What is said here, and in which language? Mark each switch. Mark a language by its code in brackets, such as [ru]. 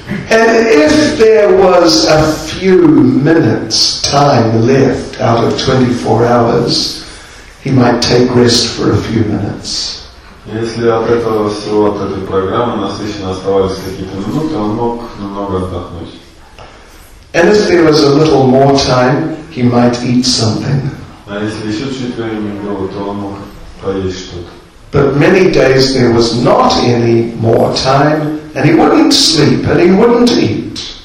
[en] And if there was a few minutes time left out of 24 hours, he might take rest for a few minutes. [ru] Если от этого всего, от этой программы насыщенно оставались какие-то минуты, он мог немного отдохнуть. [en] And if there was a little more time, he might eat something. But many days there was not any more time, and he wouldn't sleep, and he wouldn't eat.